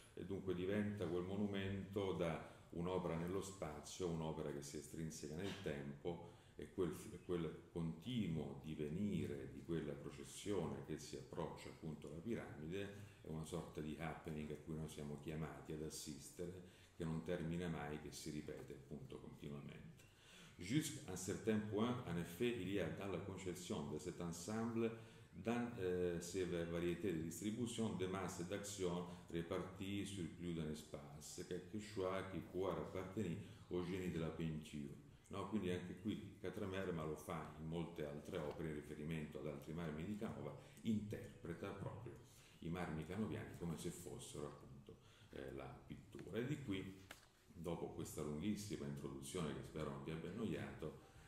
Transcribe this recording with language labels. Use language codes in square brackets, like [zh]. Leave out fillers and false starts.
[it] E dunque diventa quel monumento, da un'opera nello spazio, un'opera che si estrinseca nel tempo, e quel continuo divenire di quella processione che si approccia appunto alla piramide una sorta di happening a cui noi siamo chiamati ad assistere, che non termina mai, che si ripete appunto continuamente. [fr] Jusqu'à un certain point, en effet, il y a dans la conception de cet ensemble dans ces variétés de distribution des masses d'action réparties sur plus d'un espace, quelque chose qui pourrait appartenir au génie de la peinture. [it] No, quindi anche qui Catremer, ma lo fa in molte altre opere in riferimento ad altri marmi di Canova, interpreta proprio i marmi canoviani come se fossero appunto la pittura. E di qui, dopo questa lunghissima introduzione che spero non vi abbia annoiato,